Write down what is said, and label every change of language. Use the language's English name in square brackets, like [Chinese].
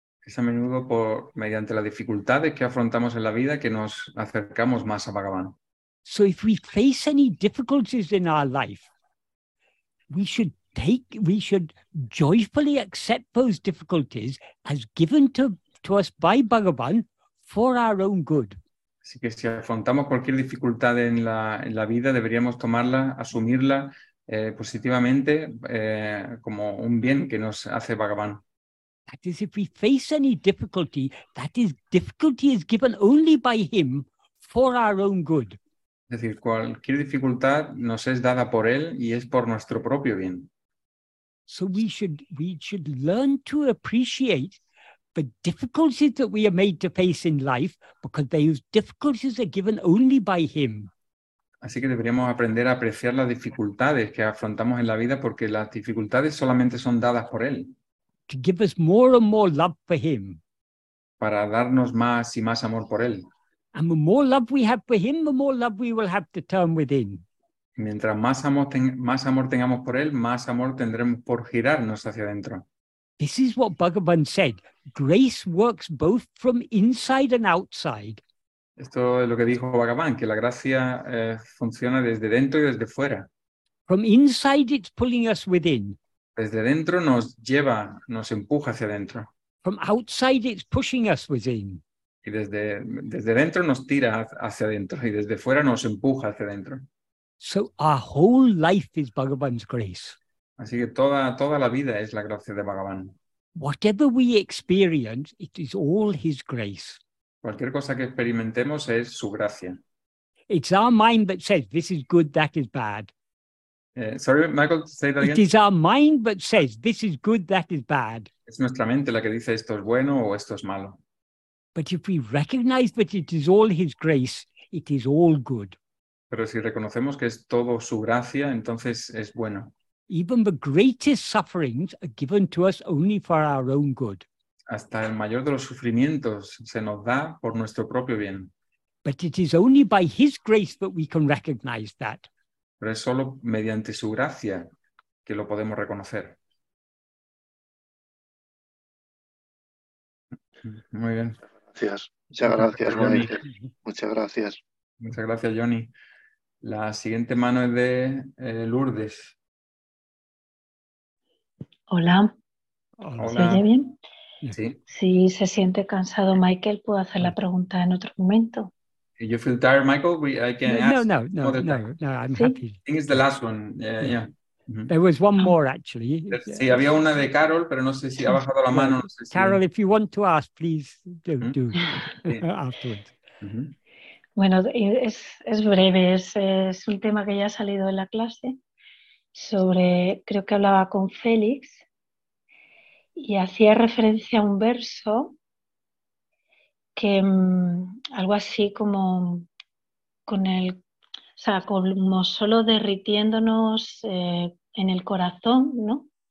[Spanish] Es a menudo mediante las dificultades que afrontamos en la vida que nos acercamos más a Bhagavan. [English] So if we face any difficulties in our life, we should joyfully accept those difficulties as given to us by Bhagavan for our own good. [Spanish] Así que si afrontamos cualquier dificultad en la vida, deberíamos tomarla, asumirla positivamente como un bien que nos hace Bhagavan. [English] That is, if we face any difficulty, that is, difficulty is given only by him for our own good. [Spanish] Es decir, cualquier dificultad nos es dada por él y es por nuestro propio bien. [English] So we should learn to appreciate the difficulties that we are made to face in life, because those difficulties are given only by him. [Spanish] Así que deberíamos aprender a apreciar las dificultades que afrontamos en la vida, porque las dificultades solamente son dadas por él. [English] To give us more and more love for him. [Spanish] Para darnos más y más amor por él. [English] And the more love we have for him, the more love we will have to turn within. [Spanish] Mientras más amor tengamos por él, más amor tendremos por girarnos hacia adentro. [English] This is what Bhagavan said. Grace works both from inside and outside. [Spanish] Esto es lo que dijo Bhagavan, que la gracia funciona desde dentro y desde fuera. [English] From inside, it's pulling us within. [Spanish] Desde dentro nos lleva, nos empuja hacia adentro. [English] From outside, it's pushing us within. [Spanish] Y desde dentro nos tira hacia adentro y desde fuera nos empuja hacia adentro. [English] So our whole life is Bhagavan's grace. [Spanish] Así que toda la vida es la gracia de Bhagavan. [English] Whatever we experience, it is all his grace. [Spanish] Cualquier cosa que experimentemos es su gracia. [English] It's our mind that says, this is good, that is bad. Sorry, Michael, say that again. It is our mind that says, this is good, that is bad. [Spanish] Es nuestra mente la que dice, esto es bueno o esto es malo. [English] But if we recognize that it is all his grace, it is all good. [Spanish] Pero si reconocemos que es todo su gracia, entonces es bueno. [English] Even the greatest sufferings are given to us only for our own good. [Spanish] hasta el mayor de los sufrimientos se nos da por nuestro propio bien. [English] But it is only by his grace that we can recognize that. [Spanish] Pero es solo mediante su gracia que lo podemos reconocer. Muy bien. Gracias. Muchas gracias, Johnny. Muchas gracias. Muchas gracias, Johnny. La siguiente mano es de Lourdes. Hola. Hola. ¿Se oye bien? Sí. Si se siente cansado, Michael, puedo hacer la pregunta en otro momento. [English] You feel tired, Michael? I can ask. No, I'm happy. I think it's the last one. Yeah. There was one more, actually. [Spanish] Sí, había una de Carol, pero no sé si ha bajado la mano. No sé si... [English] Carol, if you want to ask, please do afterwards. [Spanish] Mm-hmm. Bueno, es breve. Es un tema que ya ha salido en la clase. Sobre, creo que hablaba con Félix y hacía referencia a un verso que algo así como con el, o sea, como solo derritiéndonos en el corazón, ¿no?